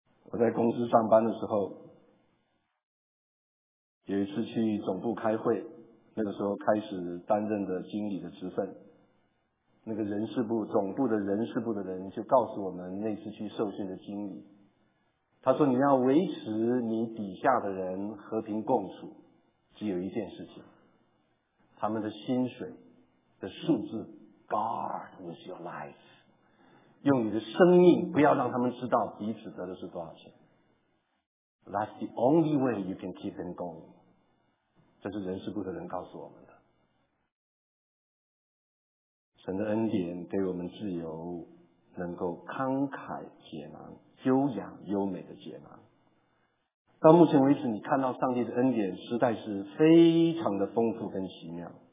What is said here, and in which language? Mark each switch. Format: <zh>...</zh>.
<zh>我在公司上班的时候有一次去总部开会，那个时候开始担任的经理的职分，那个人事部总部的人事部的人就告诉我们那次去受训的经理，他说你要维持你底下的人和平共处，只有一件事情，他们的薪水的数字</zh> <en>guard with your life，</en> <zh>用你的生命不要让他们知道彼此得的是多少钱。</zh> <en>That's the only way you can keep them going。</en> <zh>这是人事部的人告诉我们的。神的恩典给我们自由，能够慷慨解囊，悠扬优美的解囊。到目前为止，你看到上帝的恩典实在是非常的丰富跟奇妙。</zh>